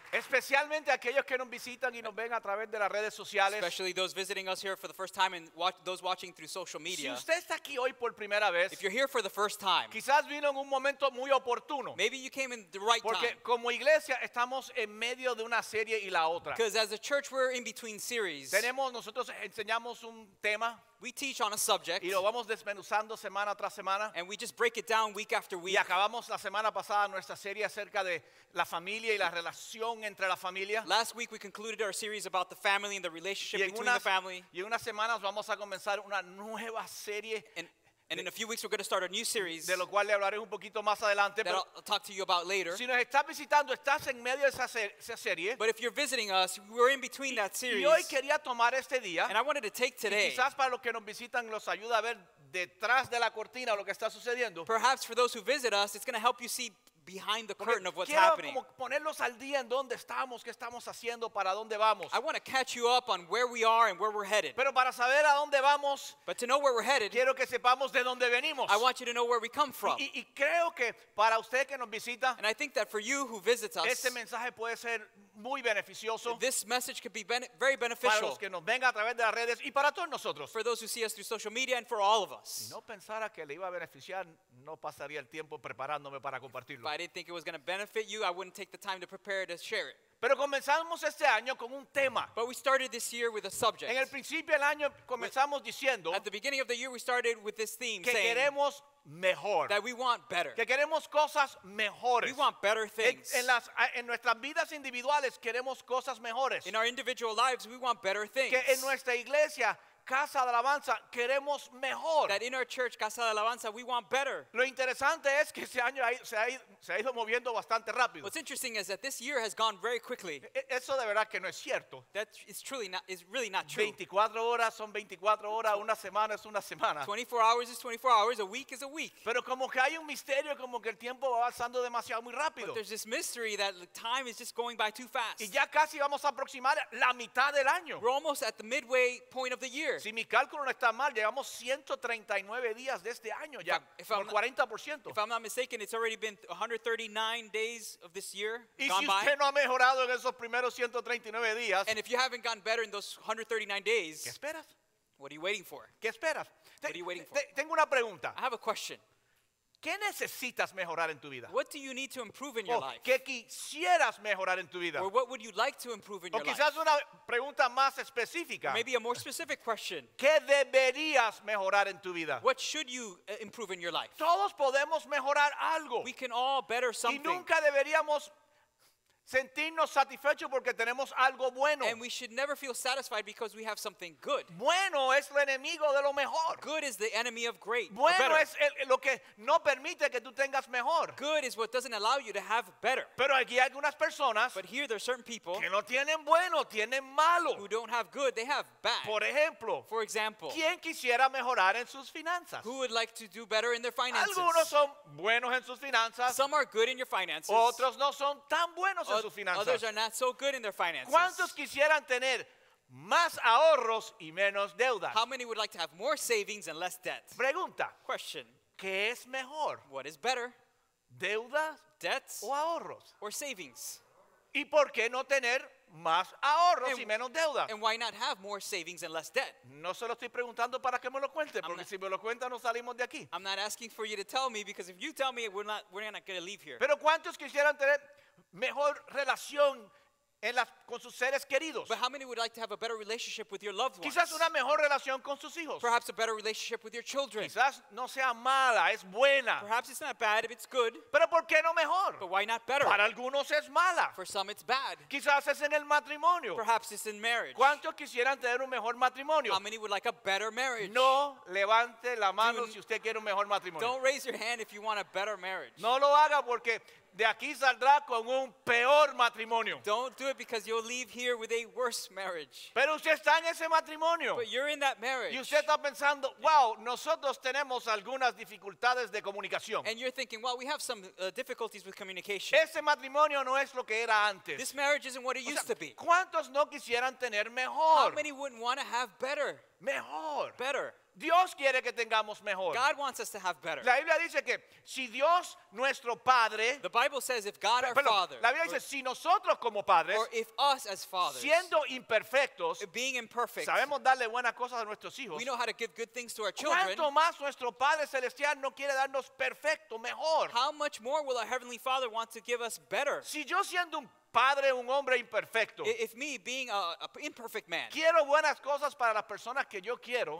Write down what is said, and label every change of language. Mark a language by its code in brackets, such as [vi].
[es] Especialmente aquellos que nos visitan y nos ven a través de las redes sociales. [en] Especially those visiting us here for the first time and those watching through social media. [es] Si usted está aquí hoy por primera vez, [en] if you're here for the first time, [es] quizás vino en un momento muy oportuno. [en] Maybe you came in the right [es] porque [en] time. [es] Porque como iglesia estamos en medio de una serie y la otra. [en] Because as a church we're in between series. [es] Tenemos, nosotros enseñamos un tema. [en] We teach on a subject. [es] Y lo vamos desmenuzando semana tras semana. [en] And we just break it down week after week. [es] Y acabamos la semana pasada nuestra serie acerca de la familia y la relación entre la familia. [en] Last week we concluded our series about the family and the relationship between the family. [es] Y en unas semanas vamos a comenzar una nueva serie. [en] And in a few weeks we're going to start a new series. [es] De lo cual le hablaré un poquito más adelante. [en] That I'll talk to you about later. [es] Si nos estás visitando, estás en medio de esa serie. [en] But if you're visiting us, we're in between that series. [es] Y hoy quería tomar este día. [en] And I wanted to take today. [es] Y quizás para los que nos visitan los ayuda a ver detrás de la cortina lo que está sucediendo. [en] Perhaps for those who visit us, it's going to help you see behind the curtain of what's happening. [es] Quiero ponerlos al día en dónde estamos, qué estamos haciendo, para dónde vamos. [en] I want to catch you up on where we are and where we're headed. [es] Pero para saber a dónde vamos, [en] but to know where we're headed, [es] quiero que sepamos de dónde venimos. [en] I want you to know where we come from. [es] Y creo que para usted que nos visita, [en] and I think that for you who visits us, [es] este mensaje puede ser muy beneficioso. [en] This message could be very beneficial. [es] Para los que nos ven a través de las redes y para todos nosotros. [en] For those who see us through social media and for all of us. [es] Si no pensara que le iba a beneficiar, no pasaría el tiempo preparándome para compartirlo. [en] I didn't think it was going to benefit you. I wouldn't take the time to prepare to share it. [es] Pero comenzamos este año con un tema. [en] But we started this year with a subject. [es] En el principio del año comenzamos diciendo, [en] at the beginning of the year, we started with this theme, [es] que [en] saying [es] queremos mejor. [en] That we want better. [es] Que queremos cosas mejores. [en] We want better things. [es] En nuestras vidas individuales queremos cosas mejores. [en] In our individual lives, we want better things. [es] Que en nuestra iglesia, Casa de Alabanza, queremos mejor. [en] That in our church, Casa de Alabanza, we want better. [es] Lo interesante es que este año se ha ido moviendo bastante rápido. [en] What's interesting is that this year has gone very quickly. [es] Eso de verdad que no es cierto. [en] That is truly not, is really not true. [es] 24 horas son 24 horas, una semana es una semana. [en] 24 hours is 24 hours, a week is a week. [es] Pero como que hay un misterio, como que el tiempo va avanzando demasiado muy rápido. [en] But there's this mystery that time is just going by too fast. [es] Y ya casi vamos a aproximar la mitad del año. [en] We're almost at the midway point of the year. [es] Si mi cálculo no está mal, llevamos 139 días de este año ya, por el 40%. [en] If I'm not mistaken, it's already been 139 days of this year [es] y [en] gone [es] si usted No ha mejorado en esos primeros 139 días, [en] and if you haven't gotten better in those 139 days, [es] ¿qué esperas? [en] What are you waiting for? [es] ¿Qué esperas? [en] What are you waiting for? [es] Tengo una pregunta. [en] I have a question. [es] ¿Qué necesitas mejorar en tu vida? [en] What do you need to improve in your life? [es] ¿Qué quisieras mejorar en tu vida? [en] Or what would you like to improve in your life? [es] O quizás una pregunta más específica. [en] Maybe a more specific question. [es] ¿Qué deberías mejorar en tu vida? [en] What should you improve in your life? [es] Todos podemos mejorar algo. [en] We can all better something. [es] Y nunca deberíamos sentirnos satisfechos porque tenemos algo bueno. [en] And we should never feel satisfied because we have something good. [es] Bueno es el enemigo de lo mejor. [en] Good is the enemy of great. [es] Bueno es lo que no permite que tú tengas mejor. [en] Good is what doesn't allow you to have better. [es] Pero aquí hay algunas personas, [en] but here there are certain people, [es] que no tienen bueno, tienen malo. [en] Who don't have good, they have bad. [es] Por ejemplo, [en] for example, [es] ¿quién quisiera mejorar en sus finanzas? [en] Who would like to do better in their finances? [es] Algunos son buenos en sus finanzas. [en] Some are good in your finances. [es] Otros no son tan buenos. [en] Others are not so good in their finances. [es] ¿Cuántos quisieran tener más ahorros y menos deuda? [en] How many would like to have more savings and less debt? [es] Pregunta. [en] Question. [es] ¿Qué es mejor? [en] What is better? [es] ¿Deuda? [en] Debts? [es] ¿O ahorros? [en] Or savings? [es] ¿Y por qué no tener más ahorros y menos deuda? [en] And why not have more savings and less debt? [es] No se lo estoy preguntando para que me lo cuente, porque si me lo cuenta no salimos de aquí. [en] I'm not asking for you to tell me, because if you tell me, we're not going to leave here. [es] ¿Pero cuántos quisieran tener mejor relación en las, con sus seres queridos? [en] But how many would like to have a better relationship with your loved ones? [es] Quizás una mejor relación con sus hijos. [en] Perhaps a better relationship with your children. [es] Quizás no sea mala, es buena. [en] Perhaps it's not bad if it's good. [es] Pero ¿por qué no mejor? [en] But why not better? [es] Para algunos es mala. [en] For some it's bad. [es] Quizás es en el matrimonio. [en] Perhaps it's in marriage. [es] ¿Cuántos quisieran tener un mejor matrimonio? [en] How many would like a better marriage? [es] No levante la mano si usted quiere un mejor matrimonio. [en] Don't raise your hand if you want a better marriage. [es] No lo haga porque de aquí saldrá con un peor matrimonio. [en] Don't do it because you'll leave here with a worse marriage. [es] Pero usted está en ese matrimonio. [en] But you're in that marriage. [es] Y usted está pensando, wow, nosotros tenemos algunas dificultades de comunicación. [en] And you're thinking, wow, we have some difficulties with communication. [es] Ese matrimonio no es lo que era antes. [en] This marriage isn't what it used to be. [es] ¿Cuántos no quisieran tener mejor? [en] How many wouldn't want to have better? [es] Mejor. [en] Better. [es] Dios quiere que tengamos mejor. [en] God wants us to have better. [es] La Biblia dice que si Dios nuestro padre, [en] the Bible says if God our father, [es] la Biblia dice si nosotros como padres, [en] or if us as fathers, [es] siendo imperfectos, [en] being imperfect, [es] sabemos darle buenas cosas a nuestros hijos, [en] we know how to give good things to our children, [es] ¿cuánto más nuestro padre celestial no quiere darnos perfecto, mejor? [en] How much more will our heavenly father want to give us better? [es] Si yo siendo un padre, un hombre imperfecto, [en] if me being a imperfect man, [es] quiero buenas cosas para las personas que yo quiero,